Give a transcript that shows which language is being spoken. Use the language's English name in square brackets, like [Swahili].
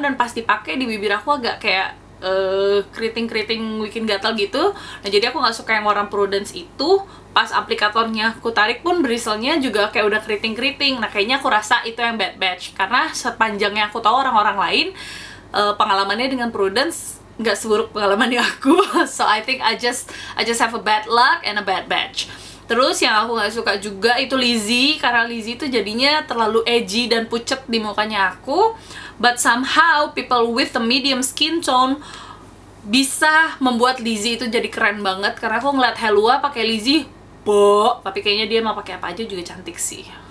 [Indonesian] Dan pas dipakai di bibir aku agak kayak keriting-keriting, bikin gatal gitu. Nah, jadi aku nggak suka yang warna Prudence itu. Pas aplikatornya aku tarik pun bristlenya juga kayak udah keriting-keriting. Nah, kayaknya aku rasa itu yang bad batch. Karena sepanjangnya aku tahu orang-orang lain, pengalamannya dengan Prudence nggak seburuk pengalamannya aku. [English] So I think I just have a bad luck and a bad batch. [Indonesian] Terus yang aku nggak suka juga itu Lizzie, karena Lizzie itu jadinya terlalu edgy dan pucet di mukanya aku. [English] But somehow people with the medium skin tone [Indonesian] bisa membuat Lizzie itu jadi keren banget, karena aku ngeliat Helua pakai Lizzie bo, tapi kayaknya dia mau pakai apa aja juga cantik sih.